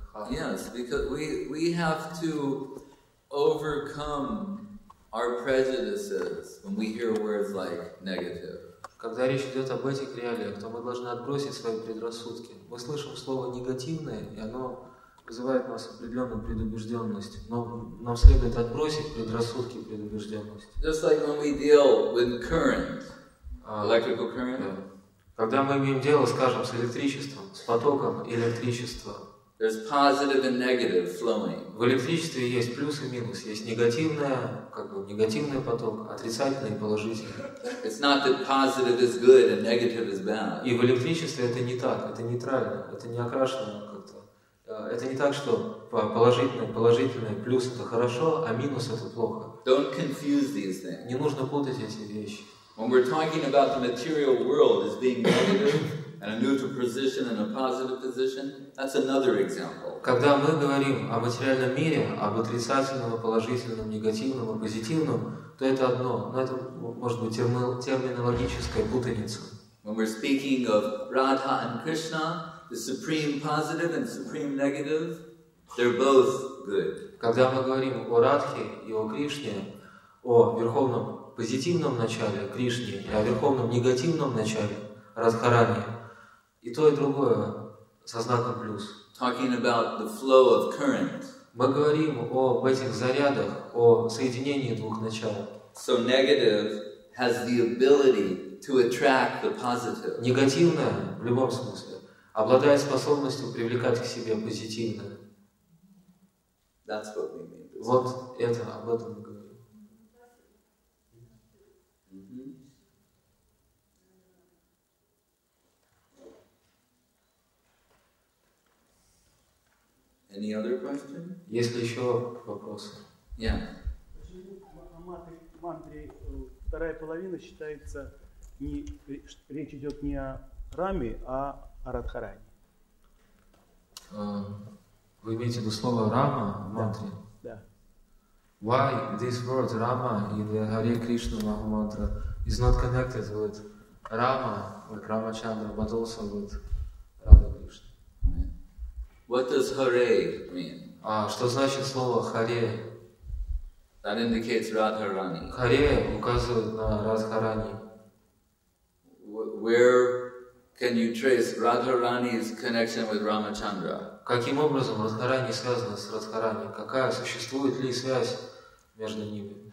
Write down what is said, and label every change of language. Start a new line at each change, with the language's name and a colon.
English: Yes, because we have to overcome our prejudices when we hear words like negative.
Russian: Когда речь идет об этих реалиях, то мы должны отбросить свои предрассудки. Мы слышим слово негативное, и оно вызывает у нас определенную предубежденность. Но нам следует отбросить предрассудки и предубежденность.
English: Just like when we deal with current, electrical current.
Russian: Да. Когда мы имеем дело, скажем, с электричеством, с потоком электричества.
English: There's positive and negative flowing.
Russian: В электричестве есть плюс и минус. Есть негативное, как бы негативный поток, отрицательный и положительный.
English: It's not that positive is good and negative is bad.
Russian: И в электричестве это не так, это нейтрально, это не окрашено как-то. Это не так, что положительное плюс это хорошо, а минус это плохо.
English: Don't confuse these things.
Russian: Не нужно путать эти вещи.
English: When we're talking about the material world as being negative. And a neutral position and a positive position, that's another example.
Russian: Когда мы говорим о материальном мире, об отрицательном, положительном, негативном, позитивном, то это одно, но это может быть терминологическая путаница.
English: When we're speaking of Radha and Krishna, the supreme positive and supreme negative, they're both good.
Russian: Когда мы говорим о Радхе и о Кришне, о верховном позитивном начале Кришне и о верховном негативном начале Радхарани, и то, и другое со знаком плюс.
English: Talking about the flow of current.
Russian: Мы говорим об этих зарядах, о соединении двух начал.
English: So negative has the ability to attract the positive.
Russian: Негативное, в любом смысле, обладает способностью привлекать к себе позитивное.
English: That's what we mean.
Russian: Вот это, об этом мы говорим.
English: Any other question?
Russian: Есть ли еще вопросы?
English: Yeah.
Russian: Почему в мантре вторая половина считается не речь идет не о Раме, а о Радхаране? Вы имеете в виду слово Рама в мантре? Да.
English: Why this word Rama in the Hare Krishna Maha Mantra is not connected with Rama, like Рамачандра, but also with Radha Krishna? What does Hare mean?
Russian: Что значит слово Харе?
English: That indicates Радхарани.
Russian: Харе указывает на Радхарани.
English: Where can you trace Radharani's connection with Рамачандра?
Russian: Каким образом Радхарани связана с Радхарани? Какая существует ли связь между ними?